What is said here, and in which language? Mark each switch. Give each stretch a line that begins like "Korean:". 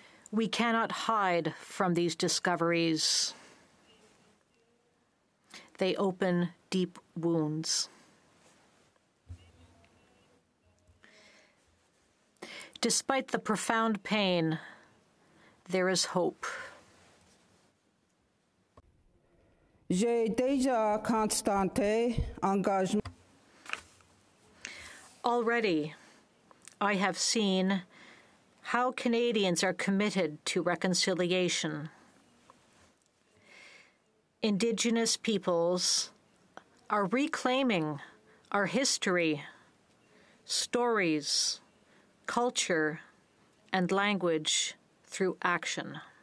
English: We cannot hide from these discoveries. They open deep wounds. Despite the profound pain, there is hope.
French: J'ai déjà constaté engagement.
English: Already, I have seen how Canadians are committed to reconciliation. Indigenous peoples are reclaiming our history, stories, culture, and language through action.